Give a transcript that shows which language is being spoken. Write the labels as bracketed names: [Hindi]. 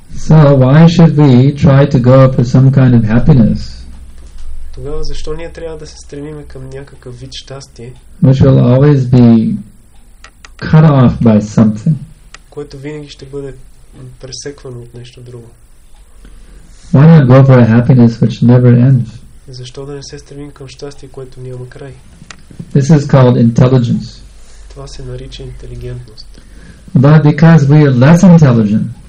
[English] So why should we try to go for some kind of happiness? [Bulgarian] Тогава защо ние трябва да се стремим към някакъв вид щастие? [English] Which will always be cut off by something. [Bulgarian] Което винаги ще бъде пресеквано от нещо друго. [English] Why not go for a happiness which never ends? [Bulgarian] Защо да не се стремим към щастие, което няма край? [English] This is called intelligence. [Bulgarian] Това се нарича интелигентност. [English] But because we are less intelligent,